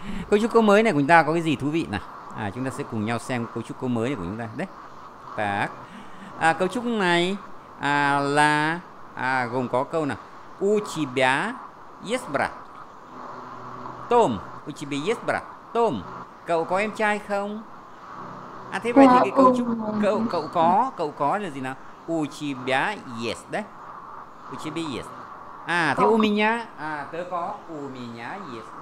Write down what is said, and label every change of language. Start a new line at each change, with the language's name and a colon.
Vietnamese: Cấu trúc câu mới này của chúng ta có cái gì thú vị nào? Chúng ta sẽ cùng nhau xem cấu trúc câu mới này của chúng ta,
Russian: да? Так.
Vietnamese: Cấu trúc này là gồm có câu nào?
Russian: У тебя есть брат? Том. У тебя есть брат? Том.
Vietnamese: Cậu có em trai không? À thế vậy thì cái câu chúc cậu cậu có là gì nào?
Russian: У тебя есть,
Vietnamese: đấy.
Russian: У тебя есть.
Vietnamese: À thế
Russian: у меня,
Vietnamese: à tớ có,
Russian: у меня есть.